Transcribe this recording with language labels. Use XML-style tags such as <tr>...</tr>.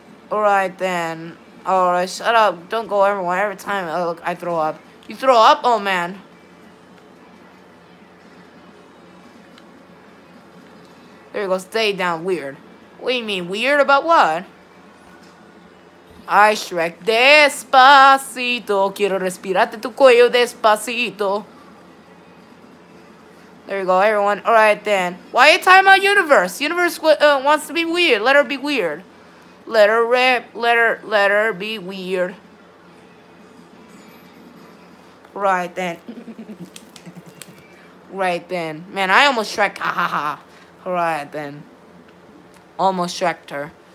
<en>Alright then. Alright, shut up. Don't go everywhere. Every time I throw up. You throw up? Oh man. There you go, stay down, weird. What do you mean, weird about what? I Shrek despacito.</en> <es>Quiero respirarte tu cuello despacito.</es> <en>There you go, everyone. All right, then. Why a timeout, Universe? Universe wants to be weird. Let her be weird. Let her rip. Let her be weird. Right then. Right then. Man, I almost Shrek. Ha ha ha. Right then. Almost Shreked her.</en>